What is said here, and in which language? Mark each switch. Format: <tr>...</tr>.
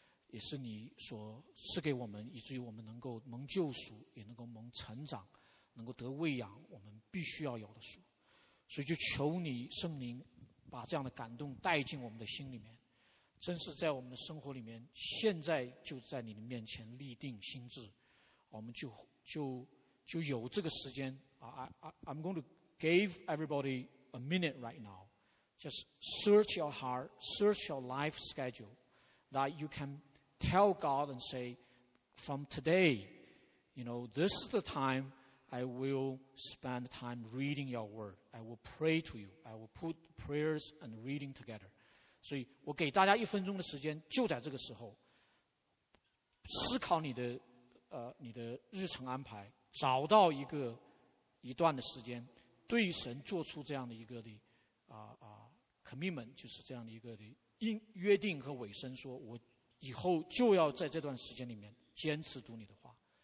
<zh>也是你所赐给我们，以至于我们能够蒙救赎，也能够蒙成长，能够得喂养，我们必须要有的书。所以就求你圣灵把这样的感动带进我们的心里面，真是在我们的生活里面，现在就在你的面前立定心志，我们就有这个时间。</zh> <en>I'm going to give everybody a minute right now. Just search your heart, search your life schedule that you can tell God and say, from today, you know, this is the time I will spend time reading your word. I will pray to you. I will put prayers and reading together.</en> <zh>所以我给大家一分钟的时间，就在这个时候，思考你的日程安排，找到一段的时间，对神做出这样的一个的commitment， 就是这样的一个的约定和委身，说我以后就要在这段时间里面坚持读你的话。</zh>